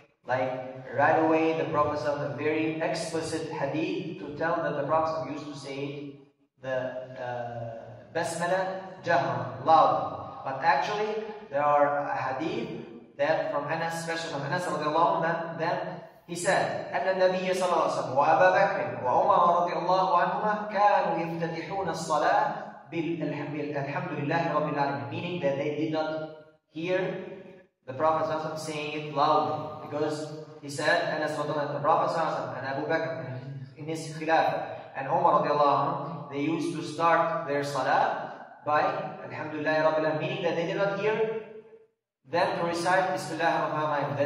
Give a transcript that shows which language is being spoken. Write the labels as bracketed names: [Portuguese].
[English] Like right away, the Prophet has a very explicit hadith to tell that the Prophet used to say the basmala jahran, loud. But actually, there are a hadith that from Anas, especially from Anas radiallahu anhu, that he said, [Arabic] أن النبي صلى الله عليه وسلم وأبا بكر وعمر رضي الله عنهما كانوا يفتتحون الصلاة بالحمد لله رب العالمين. [English] Meaning that they did not hear the Prophet saying it loudly. Because he said, Anas radiallahu anhu, the Prophet and Abu Bakr in his khilaf, and Umar radiallahu anhu, they used to start their salah by Alhamdulillah Rabbil Alameen, meaning that they did not hear them to recite Bismillah Rahman Rahim.